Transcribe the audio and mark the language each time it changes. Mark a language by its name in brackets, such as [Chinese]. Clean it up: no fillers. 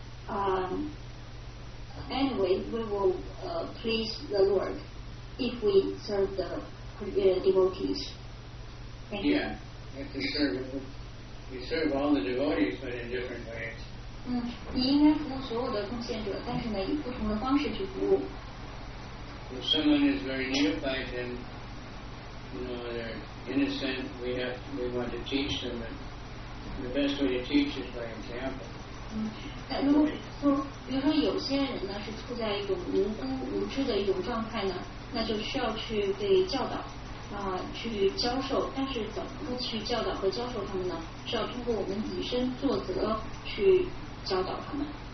[English] Anyway, we will please the Lord if we serve the devotees. Yeah, you serve all the devotees, but in different ways. [Chinese] 你应该服务所有的奉献者，但是呢，以不同的方式去服务。 [English] If someone is very nearby, then you know they're innocent. We want to teach them, and the best way to teach is by example. [Chinese] 比如说有些人呢是处在一种无辜无知的一种状态呢，那就需要去被教导。去教授，但是怎么去教导和教授他们呢？是要通过我们以身作则去教导他们。